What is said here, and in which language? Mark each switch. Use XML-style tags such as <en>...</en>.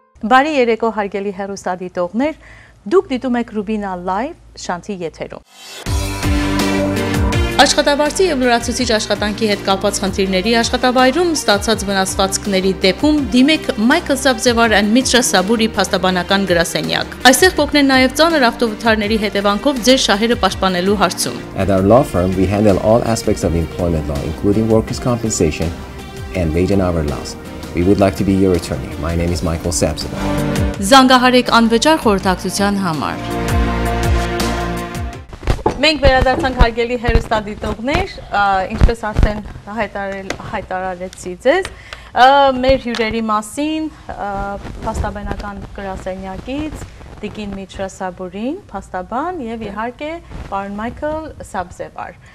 <hy>Բարի երեկո, հարգելի հեռուստադիտողներ, դուք դիտում եք Rubina Live շանթի եթերում։ Աշխատավարձի և լրացուցիչ աշխատանքի հետ կապված խնդիրների աշխատավայրում ստացած վնասվածքների դեպքում դիմեք Micheal, Sabzevar and Mitra Sabouri փաստաբանական գրասենյակ։ Այստեղ կօգնեն նաև ծանր ավտովթարների հետևանքով ձեր շահերը պաշտպանելու հարցում։</hy> <en>At our law firm, we handle all aspects of employment law, including workers' compensation and wage and hour laws. We would like to be your attorney. My name is Micheal Sabzevar.</en> <hy>Զանգահարեք անվճար խորհրդակցության համար։ Մենք վերադարձանք հարգելի հեռուստադիտողներ, ինչպես արդեն հայտարարեցի ձեզ, մեր հյուրերի մասին փաստաբանական գրասենյակից Տիկին Միտրա Սաբուրին, փաստաբան եւ իհարկե պարոն Micheal Sabzevar.</hy>